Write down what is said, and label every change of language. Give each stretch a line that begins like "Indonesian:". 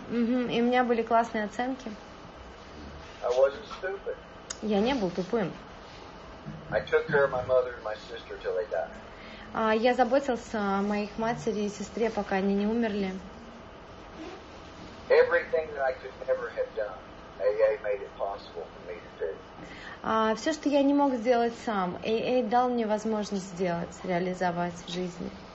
Russian: И у меня были классные оценки.
English: I wasn't stupid.
Russian: Я не был тупым.
English: I took care of my mother and my sister till they died.
Russian: Я заботился о моих матери и сестре, пока они не умерли.
English: Everything that I could ever have done, AA made it possible for me to do.
Russian: Все, что я не мог сделать сам, AA дал мне возможность сделать, реализовать в жизни.